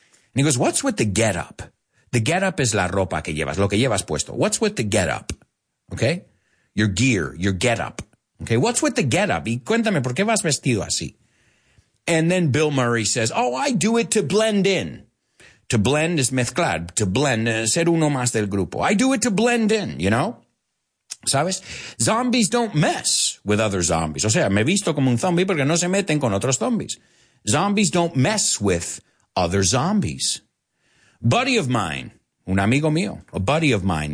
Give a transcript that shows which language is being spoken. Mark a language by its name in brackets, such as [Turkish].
[English] And he goes, what's with the getup? The getup is [Spanish] la ropa que llevas, lo que llevas puesto. [English] What's with the getup? Okay? Your gear, your getup. Okay? What's with the getup? [Spanish] Y cuéntame, ¿por qué vas vestido así? [English] And then Bill Murray says, oh, I do it to blend in. To blend is [Spanish] mezclar, [English] to blend, [Spanish] ser uno más del grupo. [English] I do it to blend in, you know? [Spanish] ¿Sabes? [English] Zombies don't mess with other zombies. [Spanish] O sea, me he visto como un zombie porque no se meten con otros zombies. [English] Zombies don't mess with other zombies. Buddy of mine, [Spanish] un amigo mío, [English] a buddy of mine.